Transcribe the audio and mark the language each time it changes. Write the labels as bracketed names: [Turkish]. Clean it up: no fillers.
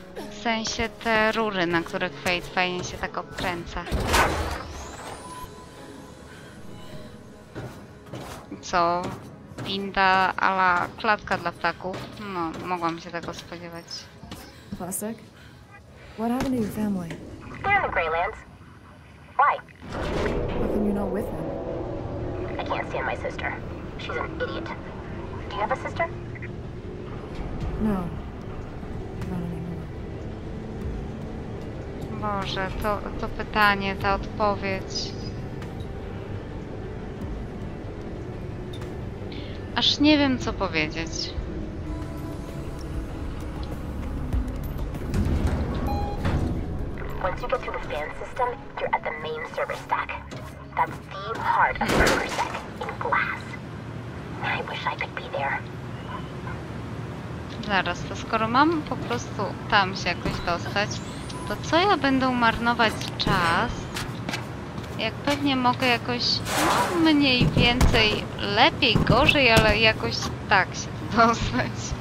[Polish] W sensie te rury, na których Fate fajnie się tak obkręca. Co? Winda a la klatka dla ptaków. No, mogłam się tego spodziewać. [English] Plastic? What happened to your family? They're in the Greylands. Why? How come you're not with them? I can't stand my sister. She's an idiot. Do you have a sister? No. Not anymore. [Polish] Boże, to pytanie, ta odpowiedź. Aż nie wiem, co powiedzieć. [English] Once you get through the fan system, you're at the main server stack. That's the heart of server stack in glass. I wish I could be there. [Polish] Zaraz, to skoro mam po prostu tam się jakoś dostać, to co ja będę marnować czas? Jak pewnie mogę jakoś, no mniej więcej, lepiej, gorzej, ale jakoś tak się dostać.